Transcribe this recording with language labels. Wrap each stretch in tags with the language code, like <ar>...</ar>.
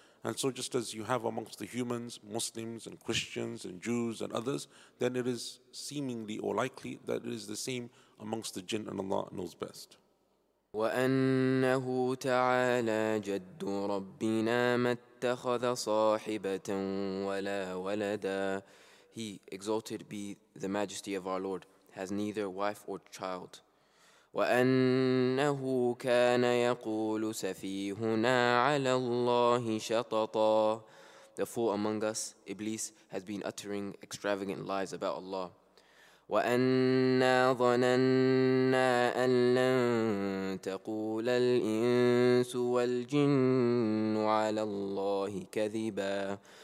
<en>And so just as you have amongst the humans, Muslims and Christians and Jews and others, then it is seemingly or likely that it is the same amongst the jinn, and Allah knows best.</en> <ar>وَأَنَّهُ تَعَالَى جَدُّ رَبِّنَا مَتَّخَذَ صَاحِبَةً وَلَا وَلَدًا.</ar> <en>He, exalted be the majesty of our Lord, has neither wife or child.</en> <ar>وأنه كان يقول سفيهنا على الله شططا.</ar> <en>Therefore among us, Iblis has been uttering extravagant lies about Allah.</en> <ar>وَأَنَّا ظَنَنَّا أَن لَّن تَقُولَ الْإِنسُ وَالْجِنُّ عَلَى اللَّهِ كَذِبًا.</ar>